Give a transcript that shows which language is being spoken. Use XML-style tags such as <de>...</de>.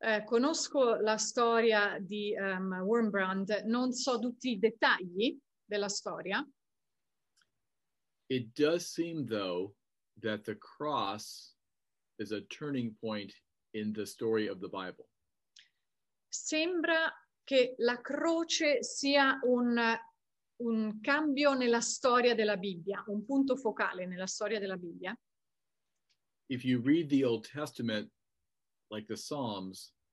<it>Conosco la storia di Wurmbrand. Non so tutti i dettagli della storia.</it> <en>It does seem, though, that the cross is a turning point in the story of the Bible.</en> <it>Sembra che la croce sia un cambio nella storia della Bibbia, un punto focale nella storia della Bibbia.</it> <en>If you read the Old Testament, like the Psalms,</en>